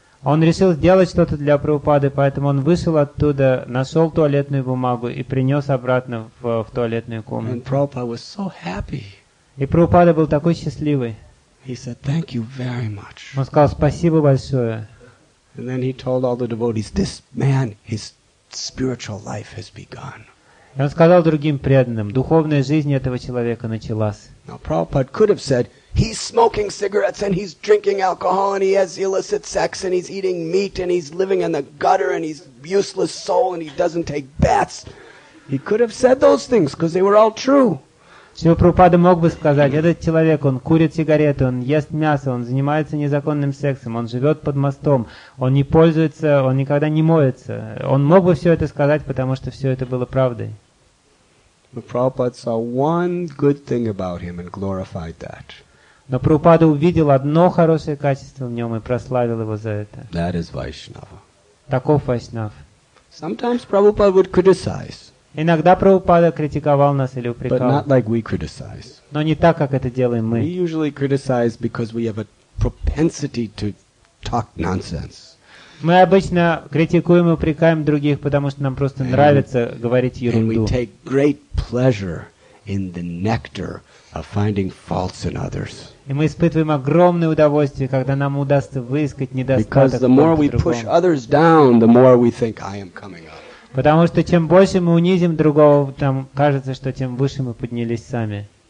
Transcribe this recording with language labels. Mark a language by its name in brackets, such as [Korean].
[Russian] Он решил сделать что-то для Прабхупады, поэтому он вышел оттуда, нашел туалетную бумагу и принес обратно в туалетную комнату. [English] And Prabhupada was so happy. [Russian] И Прабхупада был такой счастливый. [English] He said, "Thank you very much." [Russian] Он сказал спасибо большое. [English] And then he told all the devotees, "This man, his spiritual life has begun." [Russian] И он сказал другим преданным, духовная жизнь этого человека началась. [English] Now Prabhupada could have said, "He's smoking cigarettes and he's drinking alcohol and he has illicit sex and he's eating meat and he's living in the gutter and he's useless soul and he doesn't take baths." He could have said those things because they were all true. [Russian] Шрила Прабхупада мог бы сказать, этот человек, он курит сигареты, он ест мясо, он занимается незаконным сексом, он живет под мостом, он не пользуется, он никогда не моется. Он мог бы все это сказать, потому что все это было правдой. Но Прабхупада увидел одно хорошее качество в нем и прославил его за это. [English] That is Vaishnava. [Russian] Таков Вайшнав. [English] Sometimes Prabhupada would criticize. [Russian] Иногда Прабхупада критиковал нас или упрекал. [English] But not like we criticize. [Russian] Но не так, как это делаем мы. [English] We usually criticize because we have a propensity to talk nonsense. [Russian] Мы обычно критикуем и упрекаем других, потому что нам просто нравится говорить ерунду. [English] And we take great pleasure in the nectar of finding faults in others. [Russian] И мы испытываем огромное удовольствие, когда нам удастся выискать недостаток. [English] Because the more we push others down, the more we think I am coming up. [Russian] Потому что чем больше мы унизим другого, там кажется, что тем выше мы поднялись сами.